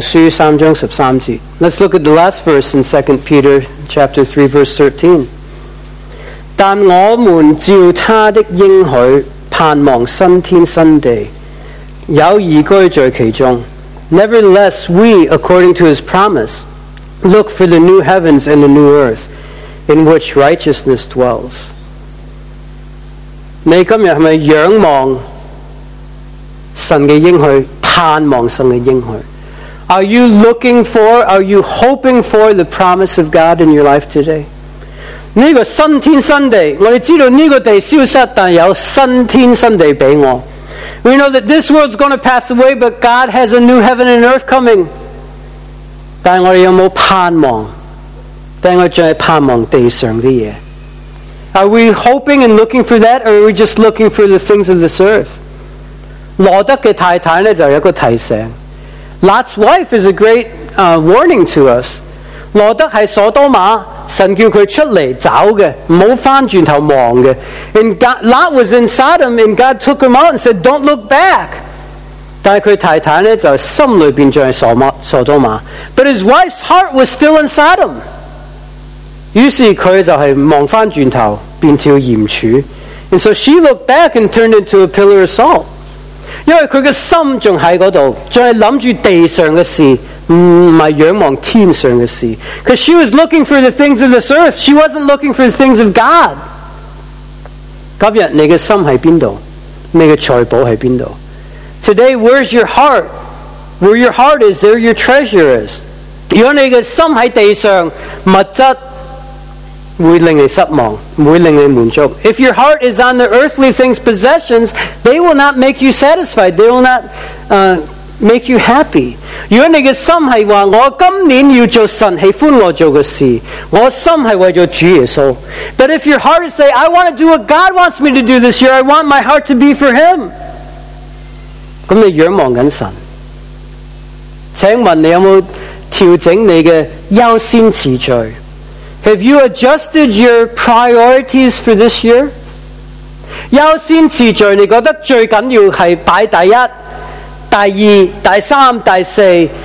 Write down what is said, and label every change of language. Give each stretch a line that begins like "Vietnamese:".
English: Let's look at the last verse in 2 Peter chapter 3 verse 13.
Chinese: 但我们照他的应许盼望新天新地，有义居在其中。
English: Nevertheless, we, according to his promise, look for the new heavens and the new earth in which righteousness dwells.
Chinese: 你今天是不是仰望神的应许？盼望神的应许。
English: Are you looking for, are you hoping for the promise of God in your life today?
Chinese: 这个新天新地，我们知道这个地消失，但有新天新地给我。
English: We know that this world is going to pass away, but God has a new heaven and earth coming.
Chinese: 但我们有没有盼望？但我们只是盼望地上的东西。
English: Are we hoping and looking for that, or are we just looking for the things of this earth?
Chinese: 罗德的太太呢就有一个提醒。
English: Lot's wife is a great warning to us.
Chinese: 罗德是所多玛，神叫他出来走的，不要翻转头望的。
English: And Lot was in Sodom and God took him out and said, don't look back.
Chinese: 但他太太呢就心里面在所多玛。
English: But his wife's heart was still in Sodom.
Chinese: 于是他就是望翻转头变成盐柱。
English: And so she looked back and turned into a pillar of salt.
Chinese: 因为他的心还在那里，还在想着地上的事，不是仰望天上的事。
English: Because she was looking for the things of this earth, she wasn't looking for the things of God.
Chinese: 今天你的心在哪里？你的财宝在哪里？
English: Today, where's your heart? Where your heart is, there your treasure is.
Chinese: 如果你的心在地上，物质会令你失望，会令你满足。
English: If your heart is on the earthly things, possessions, they will not make you satisfied. They will not make you happy.
Chinese: 如果你的心是说，我今年要做神喜欢我做的事，我心是为了主耶稣。
English: But if your heart is saying, I want to do what God wants me to do this year, I want my heart to be for Him.
Chinese: 那你仰望着神。请问你有没有调整你的优先次序？
English: Have you adjusted your priorities for this year?
Chinese: 优先次序，你觉得最重要是摆第一、第二、第三、第四。